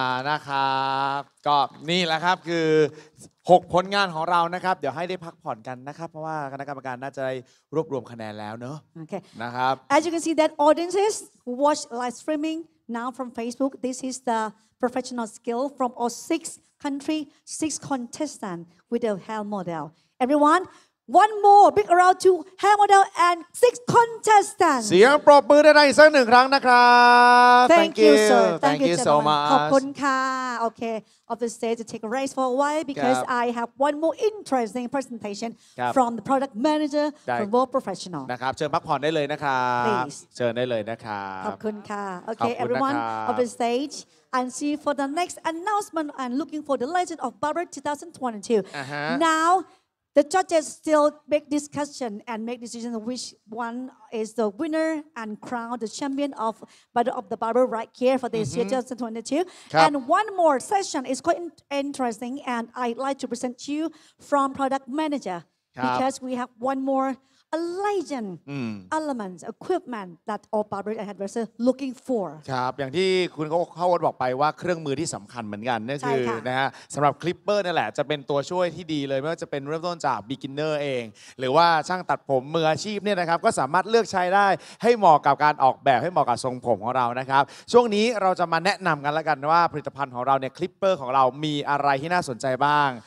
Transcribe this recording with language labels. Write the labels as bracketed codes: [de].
[th] นะครับก็นี่แหละครับคือ6ผลงานของเรานะครับเดี๋ยวให้ได้พักผ่อนกันนะครับเพราะว่าคณะกรรมการน่าจะได้รวบรวมคะแนนแล้วเนาะ โอเค นะครับ [en] As you can see that audiences watch live streaming now from Facebook this is the professional skill from all six country six contestants with the hair model everyoneOne more big round to hair model and six contestants [th] เสียงปรบมือได้อีกสักหนึ่งครั้งนะครับ [en] Thank you sir Thank you so much [th] ขอบคุณค่ะ [en] Okay off the stage to take a rest for a while because I have one more interesting presentation from the product manager from World Professional [th] นะครับเชิญพักผ่อนได้เลยนะครับ [en] Please [th] เชิญได้เลยนะครับ ขอบคุณค่ะ [en] Okay everyone off the stageAnd see for the next announcement and looking for the legend of Barber 2022 Now. The judges still make discussion and make decision which one is the winner and crown the champion of Battle of the Barber right here for this year 2022. And one more session is quite interesting and I'd like to present to you from product manager because we have one more a legend elements equipment that all barber and hairdresser looking for. [th] ครับอย่างที่คุณเข้าวัดบอกไปว่าเครื่องมือที่สำคัญเหมือนกันนั่นคือนะฮะสำหรับคลิปเปอร์นี่แหละจะเป็นตัวช่วยที่ดีเลยไม่ว่าจะเป็นเริ่มต้นจาก beginner เองหรือว่าช่างตัดผมมืออาชีพเนี่ยนะครับก็สามารถเลือกใช้ได้ให้เหมาะกับการออกแบบให้เหมาะกับทรงผมของเรานะครับช่วงนี้เราจะมาแนะนำกันละกันว่าผลิตภัณฑ์ของเราเนี่ยคลิปเปอร์ของเรามีอะไรที่น่าสนใจบ้าง